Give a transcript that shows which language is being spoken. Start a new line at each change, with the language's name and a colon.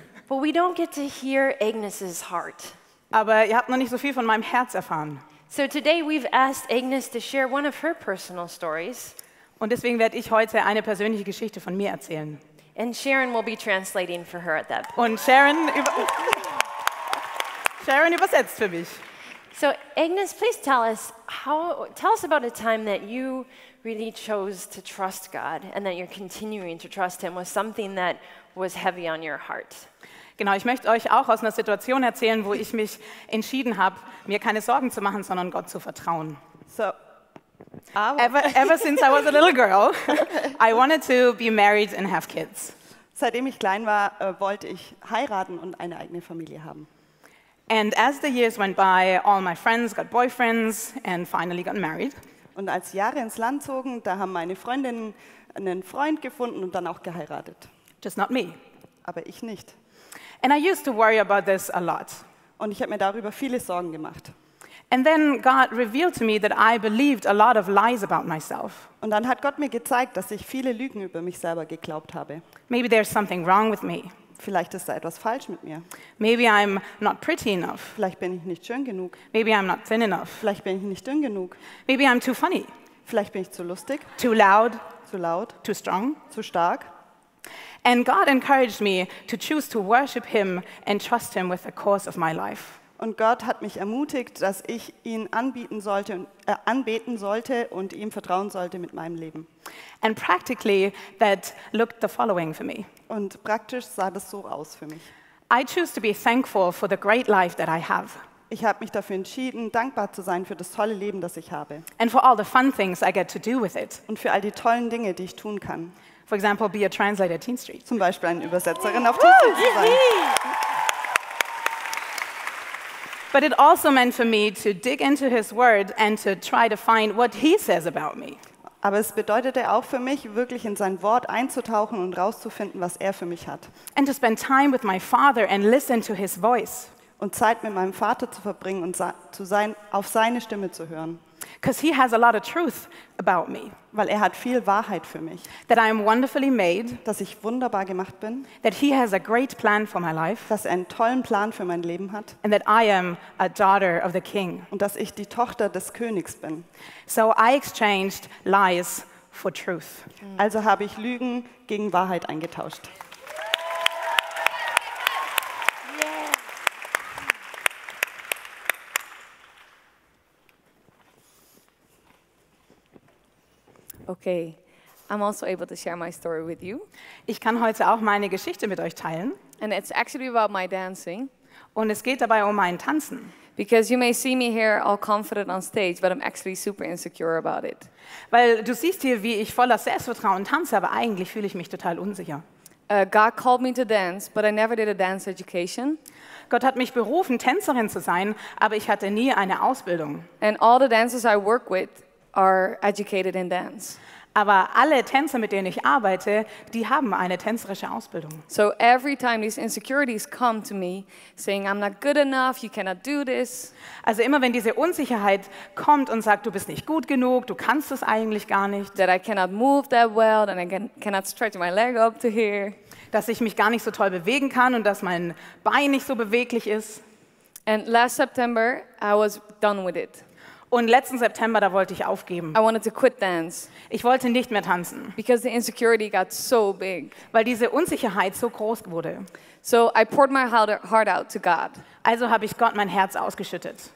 English: But we don't get to hear Agnes's heart.
German: Aber ihr habt noch nicht so viel von meinem Herz erfahren.
English: So today we've asked Agnes to share one of her personal stories.
German: Und deswegen werde ich heute eine persönliche Geschichte von mir erzählen.
English: And Sharon will be translating for her at that point.
German: Und Sharon übersetzt für mich.
English: So Agnes, please tell us about a time that you really chose to trust God and that you're continuing to trust him with something that was heavy on your heart.
German: Genau, ich möchte euch auch aus einer Situation erzählen, wo ich mich entschieden habe, mir keine Sorgen zu machen, sondern Gott zu vertrauen.
English: So, ever since I was a little girl, I wanted to be married and have kids.
German: Seitdem ich klein war, wollte ich heiraten und eine eigene Familie haben.
English: And as the years went by, all my friends got boyfriends and finally got married.
German: Und als die Jahre ins Land zogen, da haben meine Freundinnen einen Freund gefunden und dann auch geheiratet.
English: Just not me.
German: Aber ich nicht.
English: And I used to worry about this a lot.
German: Und ich habe mir darüber viele Sorgen gemacht.
English: And then God revealed to me that I believed a lot of lies about myself.
German: Und dann hat Gott mir gezeigt, dass ich viele Lügen über mich selber geglaubt habe.
English: Maybe there's something wrong with me.
German: Vielleicht ist da etwas falsch mit mir.
English: Maybe I'm not pretty enough.
German: Vielleicht bin ich nicht schön genug.
English: Maybe I'm not thin enough.
German: Vielleicht bin ich nicht dünn genug.
English: Maybe I'm too funny.
German: Vielleicht bin ich zu lustig.
English: Too loud.
German: Zu laut.
English: Too strong.
German: Zu stark.
English: And God encouraged me to choose to worship him and trust him with the course of my life.
German: Und Gott hat mich ermutigt, dass ich ihn anbeten sollte und ihm vertrauen sollte mit meinem Leben.
English: And practically that looked the following for me.
German: Und praktisch sah das so aus für mich.
English: I choose to be thankful for the great life that I have.
German: Ich habe mich dafür entschieden, dankbar zu sein für das tolle Leben, das ich habe.
English: And for all the fun things I get to do with it.
German: Und für all die tollen Dinge, die ich tun kann.
English: For example, be a translator at TeenStreet.
German: Zum Beispiel eine Übersetzerin auf TeenStreet zu sein.
English: But it also meant for me to dig into his word and to try to find what he says about me.
German: Aber es bedeutete auch für mich, wirklich in sein Wort einzutauchen und rauszufinden, was er für mich hat.
English: And to spend time with my father and listen to his voice.
German: Und Zeit mit meinem Vater zu verbringen und auf seine Stimme zu hören.
English: Because he has a lot of truth about me.
German: Weil er hat viel Wahrheit für mich.
English: That I am wonderfully made.
German: Dass ich wunderbar gemacht bin.
English: That he has a great plan for my life.
German: Dass er einen tollen Plan für mein Leben hat.
English: And that I am a daughter of the king.
German: Und dass ich die Tochter des Königs bin.
English: So I exchanged lies for truth.
German: Also habe ich Lügen gegen Wahrheit eingetauscht.
English: Okay, I'm also able to share my story with you.
German: Ich kann heute auch meine Geschichte mit euch teilen.
English: And it's actually about my dancing.
German: Und es geht dabei um mein Tanzen.
English: Because you may see me here all confident on stage, but I'm actually super insecure about it.
German: Weil du siehst hier, wie ich voller Selbstvertrauen tanze, aber eigentlich fühle ich mich total unsicher.
English: God called me to dance, but I never did a dance education.
German: Gott hat mich berufen, Tänzerin zu sein, aber ich hatte nie eine Ausbildung.
English: And all the dancers I work with are educated in dance.
German: Aber alle Tänzer, mit denen ich arbeite, die haben eine tänzerische Ausbildung.
English: So every time these insecurities come to me, saying I'm not good enough, you cannot do this.
German: Also immer wenn diese Unsicherheit kommt und sagt, du bist nicht gut genug, du kannst es eigentlich gar nicht.
English: That I cannot move that well, and I cannot stretch my leg up to here.
German: Dass ich mich gar nicht so toll bewegen kann und dass mein Bein nicht so beweglich ist.
English: And last September, I was done with it.
German: Und letzten September, da wollte ich aufgeben.
English: I wanted to quit dance.
German: Ich wollte nicht mehr tanzen.
English: Because the insecurity got so big.
German: Weil diese Unsicherheit so groß wurde.
English: So I poured my heart out to God.
German: Also habe ich Gott mein Herz ausgeschüttet.